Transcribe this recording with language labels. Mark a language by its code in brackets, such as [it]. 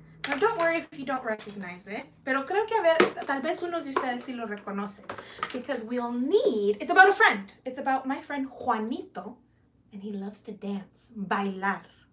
[en] Now don't worry if you don't recognize it. [es] Pero creo que a ver, tal vez uno de ustedes sí lo reconoce. [en] Because we'll need, it's about a friend. It's about my friend Juanito, and he loves to dance, bailar.